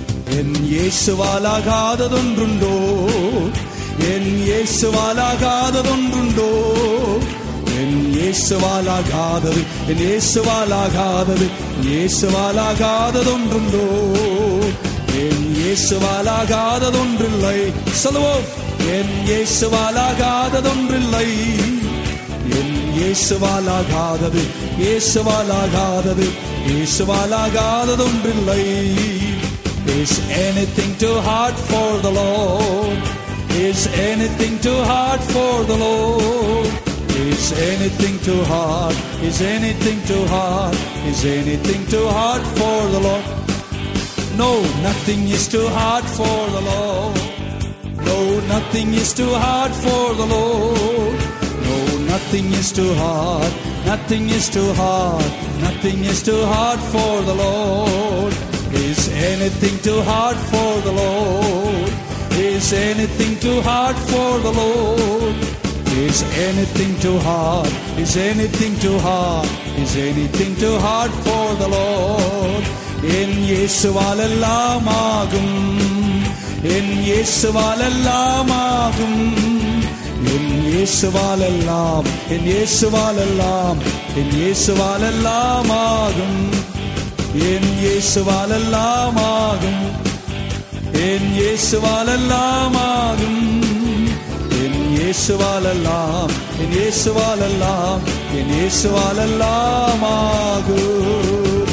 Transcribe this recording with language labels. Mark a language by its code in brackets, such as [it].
[ta] இயேசுவாலாகாததொன்றுண்டோ, என் இயேசுவாலாகாததொன்றுண்டோ, என் இயேசுவாலாகாதது, என் இயேசுவாலாகாதது, இயேசுவாலாகாததொன்றுண்டோ, என் இயேசுவாலாகாததொன்றில்லை. சொல்லுவோம், என் இயேசுவாலாகாததொன்றில்லை, என் இயேசுவாலாகாதது, இயேசுவாலாகாதது, இயேசுவாலாகாததொன்றில்லை. [en] Is anything too hard for the Lord? Is anything too hard for the Lord? Is anything too hard? Is anything too hard? Is anything too hard for the Lord? No, nothing is too hard for the Lord. No, nothing is too hard for the Lord. No, nothing is too hard. Nothing is too hard. Nothing is too hard for the Lord. Is anything too hard for the Lord? Is anything too hard for the Lord? Is anything too hard? Is anything too hard? Is anything too hard for the Lord? [ta] என் இயேசுவால் எல்லாம் ஆகும், என் இயேசுவால் எல்லாம் ஆகும், என் இயேசுவால் எல்லாம், என் இயேசுவால் எல்லாம், என் இயேசுவால் எல்லாம் ஆகும், என் இயேசுவால் எல்லாம் ஆகும், என் இயேசுவால் எல்லாம் ஆகும், என் இயேசுவால் எல்லாம், என் இயேசுவால் எல்லாம், என் இயேசுவால் எல்லாம் ஆகும்.